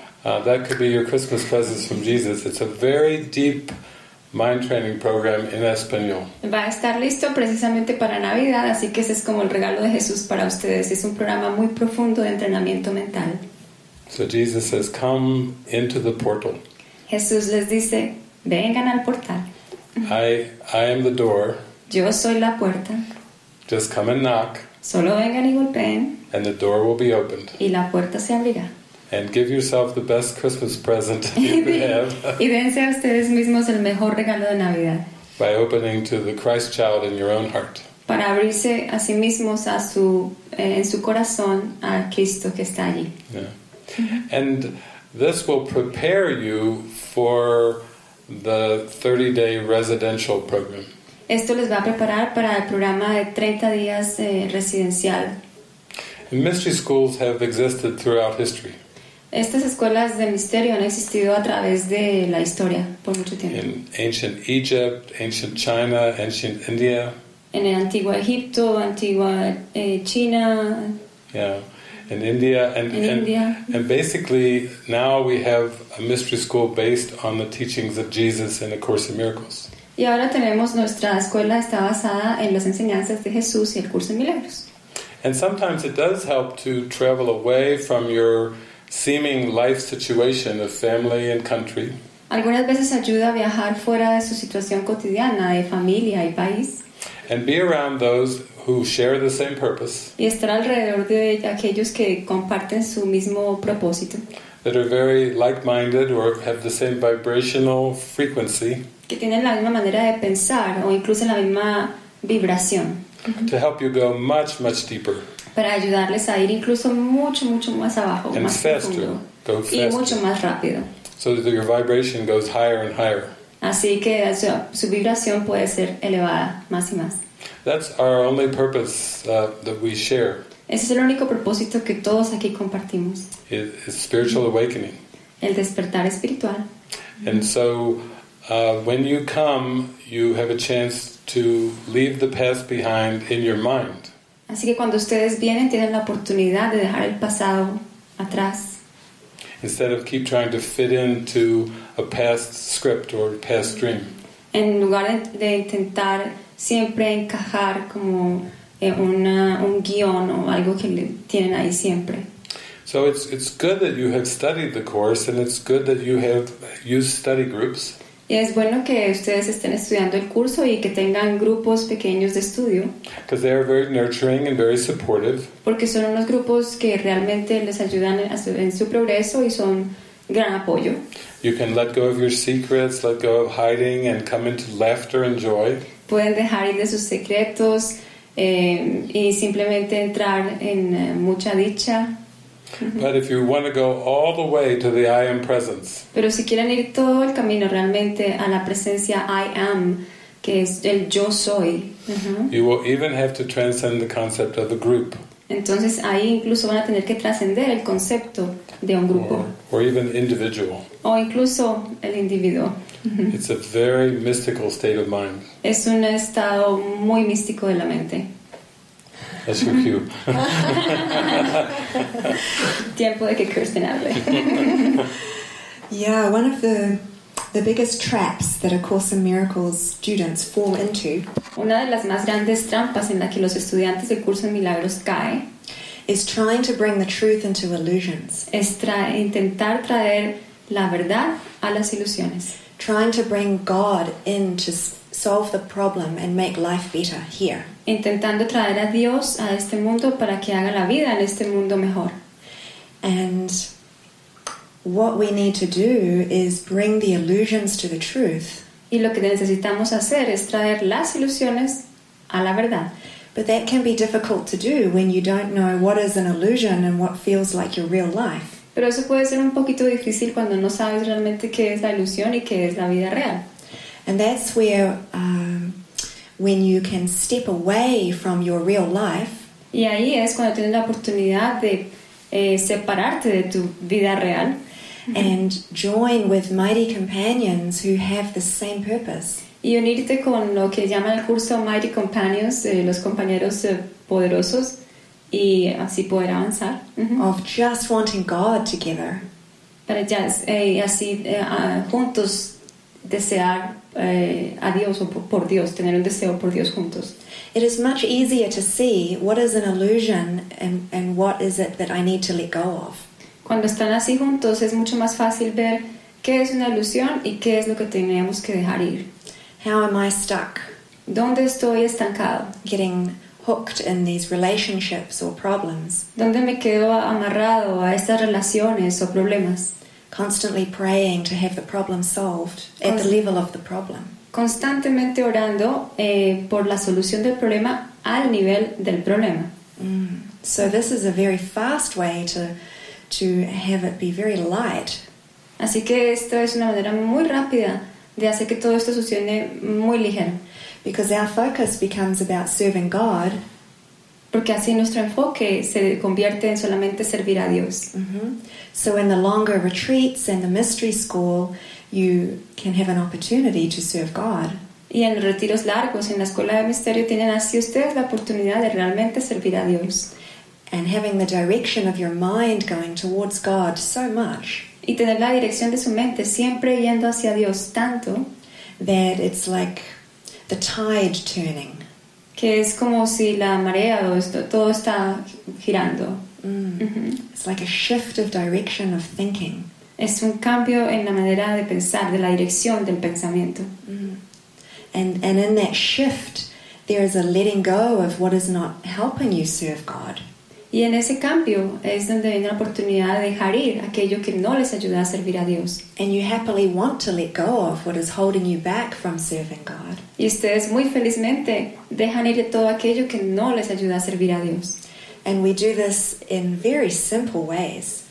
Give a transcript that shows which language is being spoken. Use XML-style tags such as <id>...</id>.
<en>That could be your Christmas presents from Jesus. It's a very deep mind training program in Espanol.</en> <es>Va a estar listo precisamente para Navidad, así que ese es como el regalo de Jesús para ustedes. Es un programa muy profundo de entrenamiento mental.</es> <en>So Jesus says, come into the portal.</en> <es>Jesús les dice, vengan al portal.</es> <en>I am the door.</en> <es>Yo soy la puerta.</es> <en>Just come and knock.</en> <es>Solo vengan y golpeen.</es> <en>And the door will be opened.</en> <es>Y la puerta se abrirá.</es> <en>And give yourself the best Christmas present you have.</en> <es>Y dense a ustedes mismos el mejor regalo de Navidad.</es> <en>By opening to the Christ child in your own heart.</en> <es>Para abrirse a sí mismos a su en su corazón a Cristo que está allí.</es> <en>Yeah. And this will prepare you for the 30-day residential program.</en> <es>Esto les va a preparar para el programa de 30 días residencial.</es> <en>And mystery schools have existed throughout history.</en> <es>Estas escuelas de misterio han existido a través de la historia por mucho tiempo.</es> <en>In ancient Egypt, ancient China, ancient India.</en> <es>En el antiguo Egipto, antigua China.</es> <en>Yeah, in India.</en> <es>India.</es> <en>And basically, now we have a mystery school based on the teachings of Jesus in A Course in Miracles.</en> <es>Y ahora tenemos nuestra escuela está basada en las enseñanzas de Jesús y el curso de milagros.</es> <en>And sometimes it does help to travel away from your seeming life situation of family and country.</en> <es>Algunas veces ayuda a viajar fuera de su situación cotidiana de familia y país.</es> <en>And be around those who share the same purpose.</en> <es>Y estar alrededor de aquellos que comparten su mismo propósito.</es> <en>That are very like-minded or have the same vibrational frequency.</en> <es>Que tienen la misma manera de pensar o incluso la misma vibración.</es> <en>To help you go much, much deeper.</en> <es>Para ayudarles a ir incluso mucho, mucho más abajo,</es> <en>and</en> <es>más</es> <en>faster,</en> <es>profundo.</es> <en>Go faster.</en> <es>Y mucho más rápido.</es> <en>So that your vibration goes higher and higher.</en> <es>Así que su vibración puede ser elevada más y más.</es> <en>That's our only purpose that we share.</en> <es>Ese es el único propósito que todos aquí compartimos.</es> <en>It's spiritual awakening.</en> <es>El despertar espiritual.</es> <en>And so when you come, you have a chance to leave the past behind in your mind.</en> <es>Así que cuando ustedes vienen, tienen la oportunidad de dejar el pasado atrás.</es> <en>Instead of keep trying to fit into a past script or past dream.</en> <es>En lugar de intentar siempre encajar como un guión o algo que tienen ahí siempre.</es> <en>So it's good that you have studied the course, and it's good that you have used study groups.</en> <es>Y es bueno que ustedes estén estudiando el curso y que tengan grupos pequeños de estudio.</es> <en>Because they are very nurturing and very supportive.</en> <es>Porque son unos grupos que realmente les ayudan en su progreso y son gran apoyo.</es> <en>You can let go of your secrets, let go of hiding, and come into laughter and joy.</en> <es>Pueden dejar ir de sus secretos y simplemente entrar en mucha dicha.</es> <en>But if you want to go all the way to the I Am presence.</en> <es>Pero si quieren ir todo el camino realmente a la presencia I Am, que es el yo soy.</es> <en>You will even have to transcend the concept of a group.</en> <es>Entonces ahí incluso van a tener que trascender el concepto de un grupo.</es> <en>Or even individual.</en> <es>O incluso el individuo.</es> <en>It's a very mystical state of mind.</en> <es>Es un estado muy místico de la mente.</es> <en>That's your cue.</en> <es>Tiempo de que Kirsten hable.</es> <en>Yeah, one of the biggest traps that A Course in Miracles students fall into.</en> <es>Una de las más grandes trampas en la que los estudiantes del curso de milagros cae.</es> <en>Is trying to bring the truth into illusions.</en> <es>Es intentar traer la verdad a las ilusiones.</es> <en>Trying to bring God in to solve the problem and make life better here.</en> <es>Intentando traer a Dios a este mundo para que haga la vida en este mundo mejor.</es> <en>And what we need to do is bring the illusions to the truth.</en> <es>Y lo que necesitamos hacer es traer las ilusiones a la verdad.</es> <en>But that can be difficult to do when you don't know what is an illusion and what feels like your real life.</en> <es>Pero eso puede ser un poquito difícil cuando no sabes realmente qué es la ilusión y qué es la vida real.</es> <en>And that's where when you can step away from your real life.</en> <es>Y ahí es cuando tienes la oportunidad de separarte de tu vida real.</es> <en>And join with mighty companions who have the same purpose.</en> <es>Y unirte con lo que llama el curso Mighty Companions, los compañeros poderosos, y así poder avanzar.</es> <en>Of just wanting God together.</en> <es>Para ya así juntos desear a Dios o por Dios, tener un deseo por Dios juntos.</es> <en>It is much easier to see what is an illusion and what is it that I need to let go of.</en> <es>Cuando están así juntos es mucho más fácil ver qué es una ilusión y qué es lo que tenemos que dejar ir.</es> <en>How am I stuck?</en> <es>¿Dónde estoy estancado?</es> <en>Getting hooked in these relationships or problems.</en> <es>¿Dónde me quedo amarrado a estas relaciones o problemas?</es> <en>Constantly praying to have the problem solved at the level of the problem.</en> <es>Constantemente orando por la solución del problema al nivel del problema.</es> <en>So this is a very fast way to have it be very light.</en> <es>Así que esto es una manera muy rápida de hacer que todo esto sucede muy ligero.</es> <en>Because our focus becomes about serving God.</en> <es>Porque así nuestro enfoque se convierte en solamente servir a Dios.</es> <en>So in the longer retreats and the mystery school, you can have an opportunity to serve God.</en> <es>Y en los retiros largos, en la escuela de misterio, tienen así ustedes la oportunidad de realmente servir a Dios.</es> <en>And having the direction of your mind going towards God so much.</en> <es>Y tener la dirección de su mente siempre yendo hacia Dios tanto.</es> <en>that it's like the tide turning.</en> <es>Que es como si la marea o esto, todo está girando. Mm. Mm-hmm.</es> <en>It's like a shift of direction of thinking.</en> <es>Es un cambio en la manera de pensar, de la dirección del pensamiento.</es> <en>And in that shift, there is a letting go of what is not helping you serve God.</en> <es>Y en ese cambio es donde viene la oportunidad de dejar ir aquello que no les ayuda a servir a Dios.</es> <en>And you happily want to let go of what is holding you back from serving God.</en> <es>Y ustedes muy felizmente dejan ir todo aquello que no les ayuda a servir a Dios.</es> <en>And we do this in very simple ways.</en>